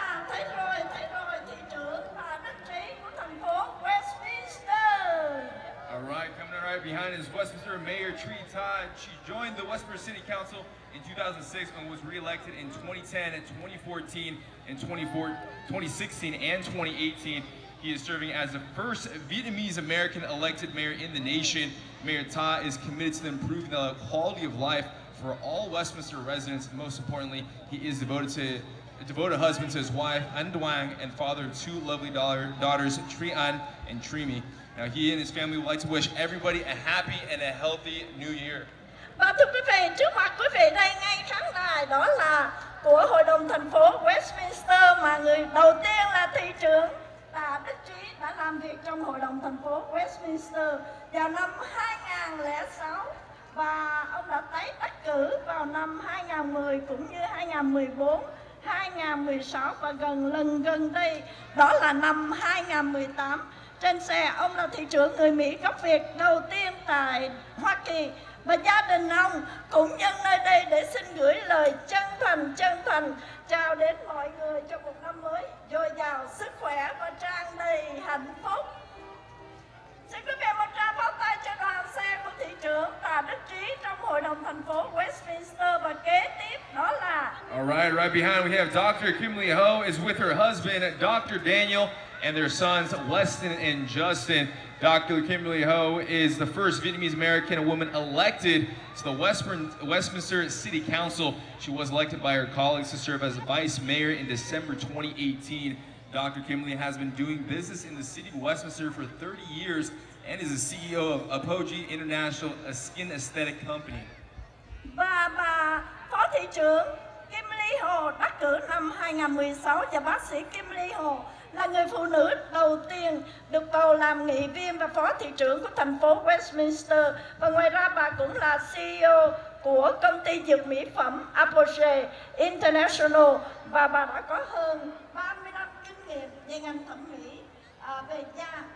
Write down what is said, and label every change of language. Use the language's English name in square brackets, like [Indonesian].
[Vietnamese] Thấy rồi, thị trưởng và đất trí của thành phố Westminster. [English] All right, coming in right behind is Westminster Mayor Tree Todd. She joined the Westminster City Council in 2006 and was re-elected in 2010 and 2014 and 2016 and 2018. He is serving as the first Vietnamese American elected mayor in the nation. Mayor Ta is committed to improving the quality of life for all Westminster residents. Most importantly, he is devoted husband to his wife, An Duong, and father of two lovely daughters, Tri An and Tri Mi. Now he and his family would like to wish everybody a happy and a healthy new year. [Vietnamese] Và thưa quý vị, trước mặt quý vị đây ngay khán đài, đó là của Hội đồng thành phố Westminster mà người đầu tiên là thị trưởng Tạ Đức Trí đã làm việc trong Hội đồng thành phố Westminster vào năm 2006 và ông đã tái đắc cử vào năm 2010 cũng như 2014, 2016 và gần đây đó là năm 2018. Trên xe, ông là thị trưởng người Mỹ gốc Việt đầu tiên tại Hoa Kỳ và gia đình ông cũng nhân nơi đây để xin gửi lời chân thành chào đến mọi người trong một năm mới dồi dào sức khỏe và tràn đầy hạnh phúc. Xin quý vị một tràng pháo tay cho đoàn xe của thị trưởng Tạ Đức Trí trong Hội đồng thành phố Westminster và kế tiếp đó là... [English] All right, right behind we have Dr. Kim Lee Ho is with her husband, Dr. Daniel, and their sons, Weston and Justin. Dr. Kimberly Ho is the first Vietnamese-American woman elected to the Westminster City Council. She was elected by her colleagues to serve as vice mayor in December 2018. Dr. Kimberly has been doing business in the city of Westminster for 30 years and is the CEO of Apogee International, a skin aesthetic company. [Vietnamese] Và Phó Thị trưởng Kim Lee Ho đắc cử năm 2016 và bác sĩ Kim Lee Ho là người phụ nữ đầu tiên được bầu làm nghị viên và phó thị trưởng của thành phố Westminster. Và ngoài ra bà cũng là CEO của công ty dược mỹ phẩm Apogee International và bà đã có hơn 30 năm kinh nghiệm về ngành thẩm mỹ về da.